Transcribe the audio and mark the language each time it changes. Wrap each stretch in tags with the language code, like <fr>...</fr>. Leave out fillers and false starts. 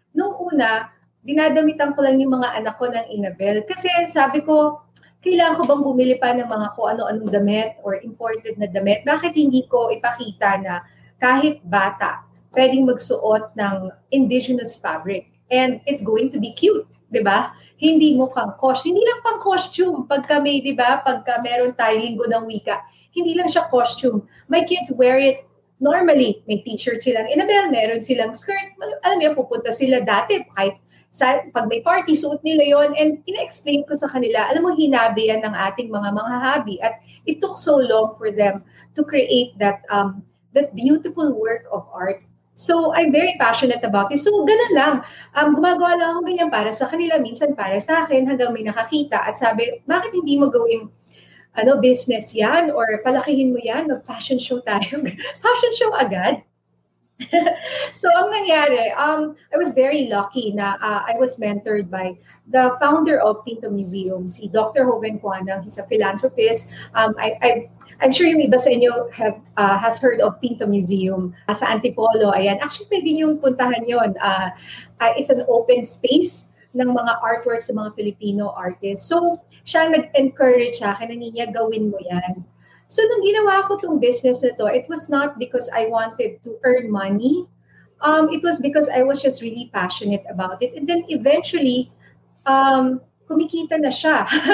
<tl>Noong una, dinadamitan ko lang yung mga anak ko ng Inabel. Kasi sabi ko, kailangan ko bang bumili pa ng mga kung ano-anong damit or imported na damit? Bakit hindi ko ipakita na kahit bata, pwedeng magsuot ng indigenous fabric?</tl> <en>And it's going to be cute, di ba?</en> <tl>Hindi mo kang costume. Hindi lang pang costume. Pagka may, di ba? Pagka meron tayong linggo ng wika, hindi lang siya costume.</tl> <en>My kids wear it normally.</en> <tl>May t-shirt silang inabel, meron silang skirt. Alam niyo, pupunta sila dati kahit sa, pag may party, suot nila yon. And ina-explain ko sa kanila, alam mo, hinabi yan ng ating mga manghahabi.</tl> <en>At it took so long for them to create that that beautiful work of art. So I'm very passionate about it. So</en> <tl>ganun lang. Gumagawa lang ako ganyan para sa kanila, minsan para sa akin, hanggang may nakakita. At sabi, bakit hindi mo gawing ano, business yan? Or palakihin mo yan? Mag-fashion show tayo. Fashion show agad. So ang nangyari,</tl> <en>I was very lucky na I was mentored by the founder of Pinto Museum, si Dr. Hoven Kwanang. He's a philanthropist. I'm sure yung iba sa inyo has heard of Pinto Museum sa Antipolo.</en> <tl>Ayan. Actually, pwede niyong puntahan yun.</tl> <en>It's an open space ng mga artworks ng mga Filipino artists.</en> <tl>So, siya nag-encourage sa akin, niya, gawin mo yan.</tl> <en>So,</en> <tl>nung ginawa ko itong business na to,</tl> <en>it was not because I wanted to earn money. It was because I was just really passionate about it. And then, eventually,</en> <tl>kumikita na siya.</tl>